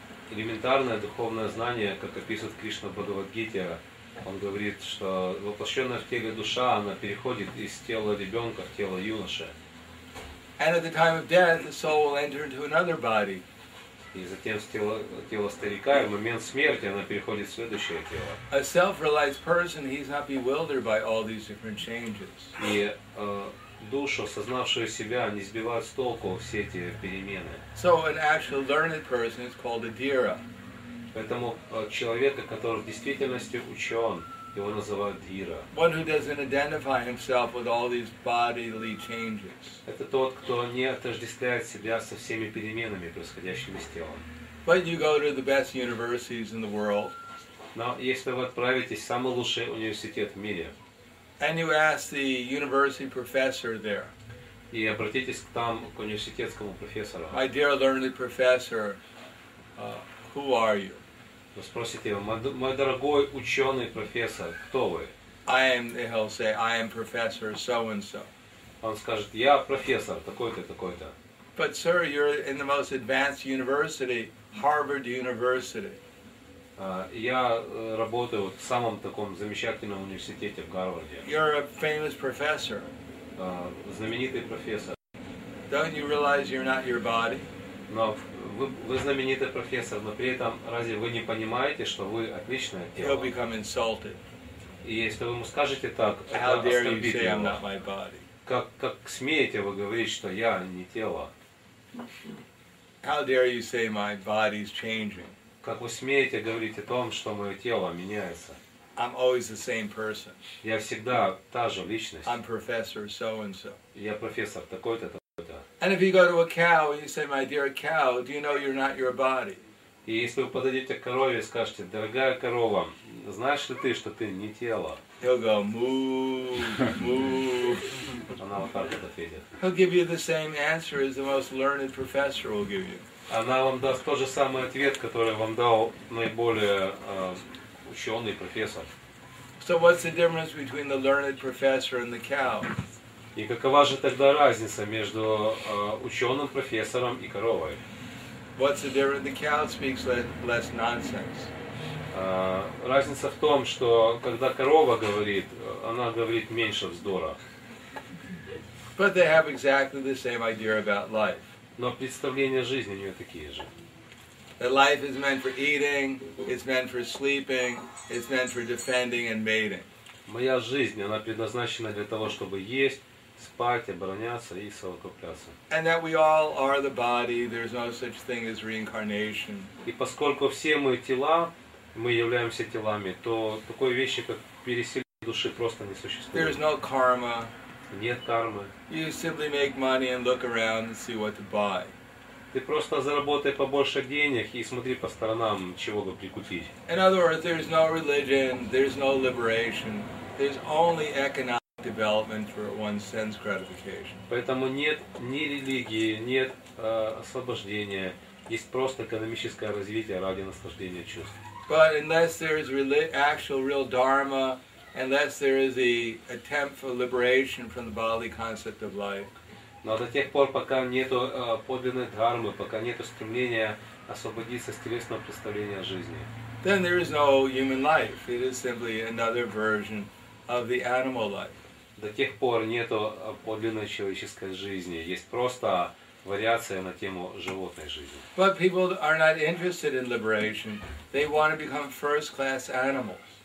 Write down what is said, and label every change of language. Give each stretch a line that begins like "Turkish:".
Russian: Элементарное духовное знание, как описывает Кришна в Бхагавад-гите, он говорит, что воплощенная в теле душа, она переходит из тела ребенка в тело юноши.
English: And at the time of death, the soul will enter into another body.
Russian: И затем с тела старика, в момент смерти, она переходит в следующее тело.
English: A self-realized person, he's not bewildered by all these different changes.
Russian: И душу, осознавшую себя, не сбивает с толку все эти перемены.
English: So an actual learned person is called a dhira.
Russian: Поэтому человека, который в действительности учен, его называют дхира.
English: One who doesn't identify himself with all these bodily changes.
Russian: Это тот, кто не отождествляет себя со всеми переменами, происходящими с телом.
English: But you go to the best universities in the world.
Russian: Но если вы отправитесь в самый лучший университет в мире,
English: and you ask the university professor there,
Russian: и обратитесь к там к университетскому профессору,
English: my dear learned professor, who are you?
Russian: Вы спросите его, мой дорогой ученый профессор, кто вы?
English: He'll say, I am professor so and so.
Russian: Он скажет, я профессор такой-то, такой-то.
English: But sir, you're in the most advanced university, Harvard University.
Russian: Я работаю в самом таком замечательном университете в Гарварде.
English: You're a famous professor.
Russian: Знаменитый профессор.
English: Don't you realize you're not your body?
Russian: Но вы знаменитый профессор, но при этом разве вы не понимаете, что вы отличное тело?
English: He'll become insulted.
Russian: И если вы ему скажете так,
English: how dare you say I'm not my body?
Russian: Как смеете вы говорить, что я не тело?
English: How dare you say my body's changing?
Russian: Как вы смеете говорить о том, что мое тело меняется?
English: I'm always the same person.
Russian: Я всегда та же личность.
English: I'm professor so and so.
Russian: Я профессор такой-то, такой-то.
English: And if you go to a cow and you say, my dear cow, do you know you're not your body?
Russian: И если вы подойдете к корове и скажете, дорогая корова, знаешь ли ты, что ты не тело?
English: He'll go, moo, moo.
Russian: Она вот так вот ответит.
English: He'll give you the same answer as the most learned professor will give you.
Russian: Она вам даст тот же самый ответ, который вам дал наиболее ученый профессор.
English: So what's the difference between the learned professor and the cow?
Russian: И какова же тогда разница между ученым профессором и коровой?
English: What's the difference? The cow speaks less nonsense.
Russian: Разница в том, что когда корова говорит, она говорит меньше вздора.
English: But they have exactly the same idea about life.
Russian: Но представления жизни у нее такие же.
English: That life is meant for eating, it's meant for sleeping, it's meant for defending and mating.
Russian: Моя жизнь, она предназначена для того, чтобы есть, спать, обороняться и совокупляться.
English: And that we all are the body, there's no such thing as reincarnation.
Russian: И поскольку все мы тела, мы являемся телами, то такой вещи, как переселение души, просто не существует.
English: There is no karma.
Russian: Нет кармы.
English: You simply make money and look around and see what to buy.
Russian: Ты просто заработай побольше денег и смотри по сторонам, чего бы прикупить.
English: In other words, there is no religion, there is no liberation, there is only economic development for one's sense gratification.
Russian: Поэтому нет ни религии, нет освобождения, есть просто экономическое развитие ради наслаждения чувств.
English: But unless there is actual real dharma, unless there is the attempt for liberation from the bodily concept of life.
Russian: Но до тех пор, пока нету подлинной дхармы, пока нету стремления освободиться с телесного представления о жизни.
English: Then there is no human life. It is simply another version of the animal life.
Russian: До тех пор нету подлинной человеческой жизни. Есть просто вариация на тему животной жизни.
English: But people are not interested in liberation. They want to become first-class animals.